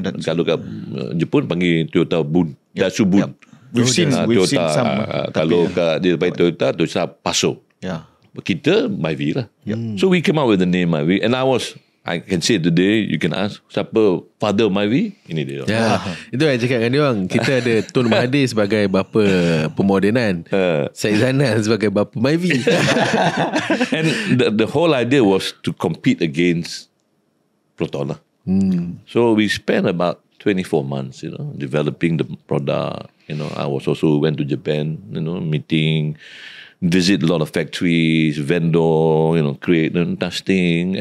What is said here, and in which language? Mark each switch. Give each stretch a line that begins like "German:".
Malay: Kalau kat Jepun, panggil Toyota Bun. Yep. Dasu Bun. Yep.
English: We've seen some.
Malay: Kalau kat Toyota Paso.
English: Yeah.
Malay: Kita Myvi lah. Yep.
English: So we came out with the name Myvi. And I can say today, you can ask, siapa father Myvi?
Malay: Ini dia. Itu yang cakap dengan dia orang. Kita ada Tun Mahathir sebagai bapa pemodenan. Syed Zainal sebagai bapa Myvi.
English: And the whole idea was to compete against Proton lah. So we spent about 24 months, developing the product. I was also went to Japan, meeting, visit a lot of factories, vendor, create and testing.